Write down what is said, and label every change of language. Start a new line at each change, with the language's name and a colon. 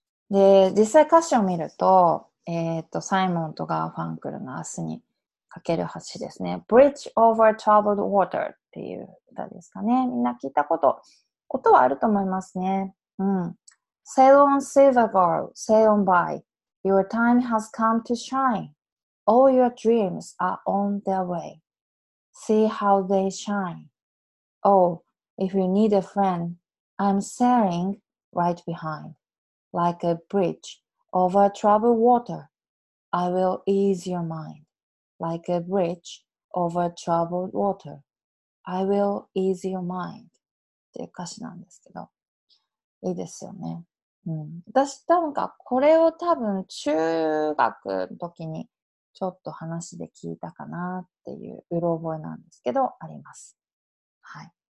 Japanese: で、実際歌詞を見ると、サイモンとガーファンクルの明日にかける橋ですね。 Bridge over troubled water っていう歌ですかね。みんな聞いたこと、ことはあると思いますね。うん。
English: Sail on silver girl, sail on by. Your time has come to shine. All your dreams are on their way. See how they shine. Oh, if you need a friend, I'm sailing right behind. Like a bridge over troubled water, I will ease your mind. Like a bridge over troubled water, I will ease your mind.
Japanese: っていう歌詞なんですけど、いいですよね。うん、私なんかこれを多分中学の時にちょっと話で聞いたかなっていううろ覚えなんですけど、あります。はい。